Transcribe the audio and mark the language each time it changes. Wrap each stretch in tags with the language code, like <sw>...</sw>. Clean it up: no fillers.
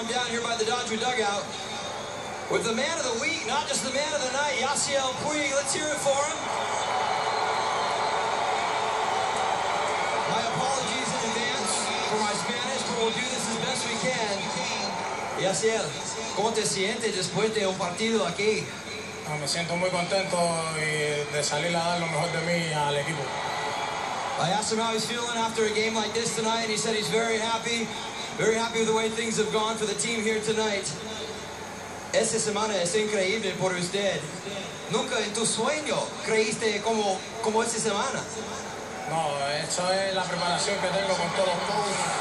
<en>I'm down here by the Dodger dugout with the man of the week, not just the man of the night, Yasiel Puig. Let's hear it for him. My apologies in advance for my Spanish, but we'll do this as best we can.</en> <es>Yasiel, ¿cómo te sientes después de un partido aquí? Me siento muy contento de salir a dar lo mejor de mí al equipo.</es> <en>I asked him how he's feeling after a game like this tonight, and he said he's very happy with the way things have gone for the team here tonight.</en> <es>Esta semana es increíble por usted. Nunca en tu sueño creíste como esta semana. No, esto es la preparación que tengo con todos los coaches.</es>